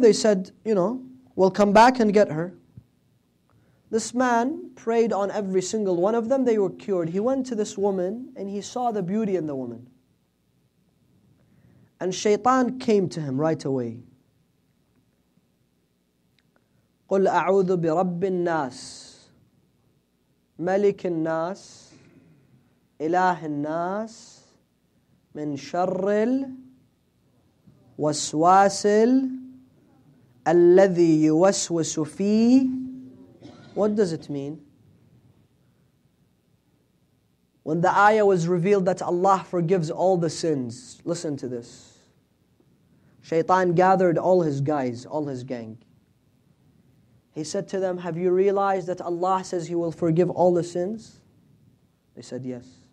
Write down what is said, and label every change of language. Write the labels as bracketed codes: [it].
[en] They said, you know, we'll come back and get her. This man prayed on every single one of them. They were cured. He went to this woman and he saw the beauty in the woman. And shaitan came to him right away. [ar] قُلْ أَعُوذُ بِرَبِّ النَّاسِ مَلِكِ النَّاسِ إِلَهِ النَّاسِ من شر الوسواس الذي يوسوس فيه. [en] What does it mean? When the ayah was revealed that Allah forgives all the sins, listen to this. Shaitan gathered all his guys, all his gang. He said to them, have you realized that Allah says He will forgive all the sins? They said, yes.